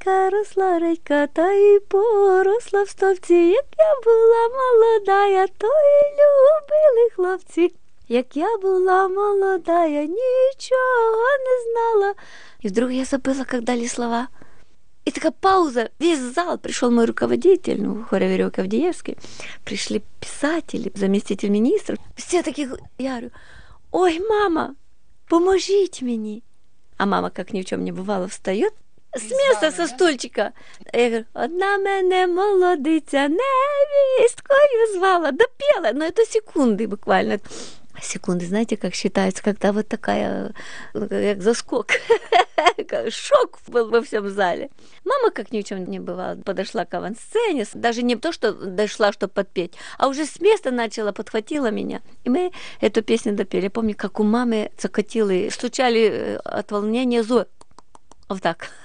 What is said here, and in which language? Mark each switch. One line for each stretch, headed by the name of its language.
Ukrainian: Росла редька, та і поросла в стовці, як я була молодая, то й любили хлопці. Як я була молодая, нічого не знала. І вдруг я забила, як далі слова.
Russian: И такая пауза, весь зал, пришел мой руководитель, ну, хоря Верёвка Авдеевский, пришли писатели, заместитель министра. Все такие, я говорю, ой, мама, поможите мне. А мама, как ни в чем не бывало, встает с места, со стульчика. Я говорю,
Ukrainian: одна мене молодиця невісткою звала,
Russian: допела, но это секунды буквально. Секунды, знаете, как считается, когда вот такая, ну, как заскок, шок был во всем зале. Мама, как ни в чем не бывало, подошла к авансцене, даже не то, что дошла, чтобы подпеть, а уже с места начала, подхватила меня. И мы эту песню допели. Я помню, как у мамы закатило, стучали от волнения зубы. Вот так.